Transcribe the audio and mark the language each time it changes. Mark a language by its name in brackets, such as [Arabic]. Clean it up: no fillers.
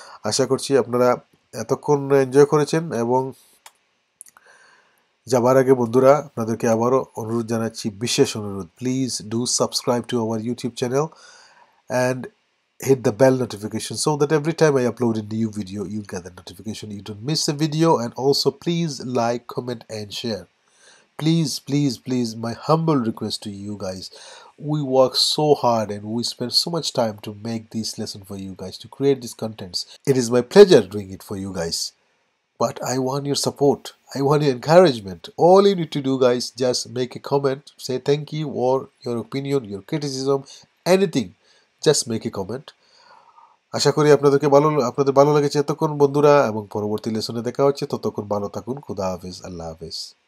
[Bangla] আশা করছি আপনারা এতক্ষণ এনজয় করেছেন, এবং যাবার আগে বন্ধুরা আপনাদেরকে আবারও অনুরোধ জানাচ্ছি, বিশেষ অনুরোধ, [English] Please do subscribe to our YouTube channel and hit the bell notification so that every time I upload a new video you gather notification, you don't miss a video, and also please like, comment and share. Please, please, please, my humble request to you guys. We work so hard and we spend so much time to make this lesson for you guys, to create these contents. It is my pleasure doing it for you guys. But I want your support. I want your encouragement. All you need to do, guys, just make a comment. Say thank you or your opinion, your criticism, anything. Just make a comment. [Bangla] আশা করি আপনাদেরকে ভালো আপনাদের ভালো লেগেছে এতক্ষণ বন্ধুরা, এবং পরবর্তী লেসনে দেখা হচ্ছে। ততক্ষণ ভালো থাকুন। খুদা হাফেজ, আল্লাহ হাফেজ।